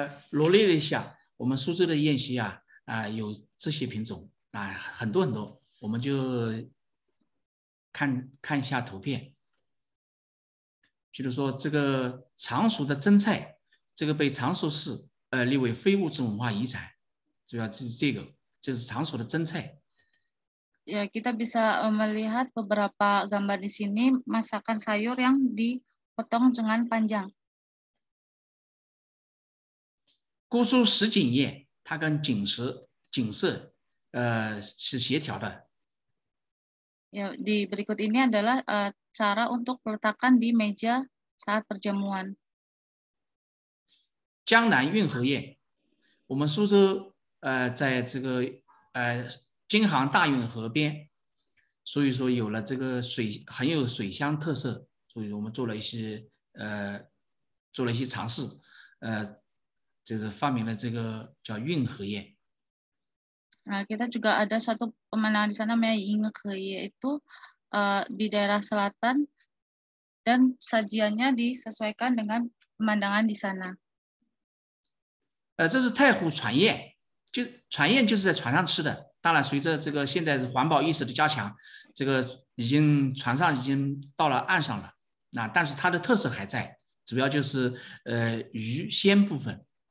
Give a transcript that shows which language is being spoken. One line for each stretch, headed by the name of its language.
Chinese: 罗列了一下我们苏州的宴席啊，有这些品种啊，很多很多，我们就看看一下图片。比如说这个常熟的蒸菜，这个被常熟市列为非物质文化遗产，主要就是这个，就是常熟的蒸菜。
Indonesian: Ya, kita bisa melihat beberapa gambar di sini masakan sayur yang dipotong dengan panjang.
Chinese: 姑苏石锦宴，它跟锦食锦色是协调的。
Indonesian: Ya, di berikut ini adalah cara untuk meletakkan di meja saat perjamuan.
Chinese: 江南运河宴，我们苏州在这个京杭大运河边，所以说有了这个水，很有水乡特色，所以我们做了一些做了一些尝试，就是发明了这个叫运河宴。
Indonesian: Nah, kita juga ada satu pemandangan di sana namanya Yinghe, yaitu di daerah selatan dan sajiannya disesuaikan dengan pemandangan di sana.
Chinese: 这是太湖船宴，就船宴就是在船上吃的。当然随着这个现在环保意识的加强，这个已经船上已经到了岸上了，那但是它的特色还在，主要就是鱼鲜部分。